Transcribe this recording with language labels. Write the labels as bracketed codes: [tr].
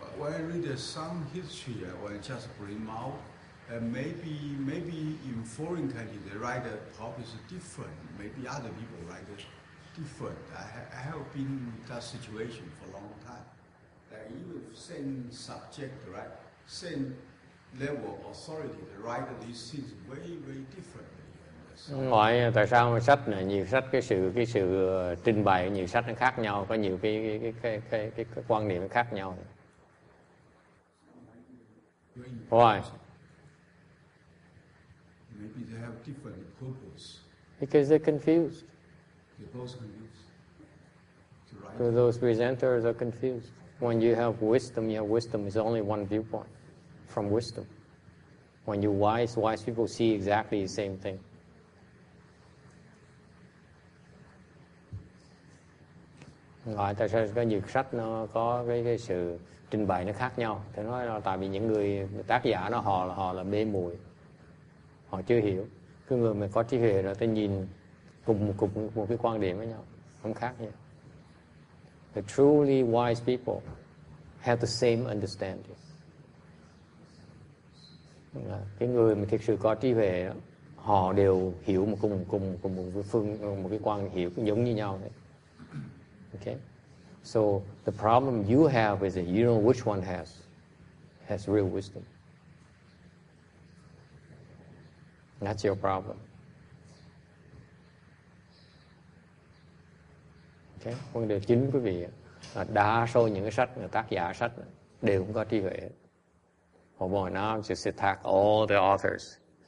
[en] When I read some history, when I just bring out. Maybe in foreign countries they write the topic is different. Maybe other people write it different. I have been in that situation for a long time. That even same subject, right? Same level authority, they write these things very, very differently. [vi] Ngoài tại sao sách này nhiều sách cái sự trình bày nhiều sách nó khác nhau, có nhiều cái quan điểm nó khác nhau. [en] Why? Maybe they have different purpose. Because they're confused. They're both confused. Right. So those presenters are confused. When you have wisdom, your wisdom is only one viewpoint from wisdom. When you're wise, wise people see exactly the same thing. [vi] Ngoài tại sao có nhiều sách nó có cái sự trình bày nó khác nhau? Thì nói là tại vì những người tác giả nó họ là mê muội. Họ chưa hiểu. Cứ người mà có trí huệ là ta nhìn cùng một cái quan điểm với nhau. Không khác nhau. [en] The truly wise people have the same understanding. [vi] Cái người mà thực sự có trí huệ đó, họ đều hiểu một cùng một cái phương, một cái quan hiểu giống như nhau đấy. [en] Okay? So, the problem you have is that you don't know which one has real wisdom. That's your problem. Okay. [vi] Vấn đề chính quý vị là đa số những cái sách, tác giả sách đều không có trí huệ. [en] Oh boy, now I'm just attack all the authors.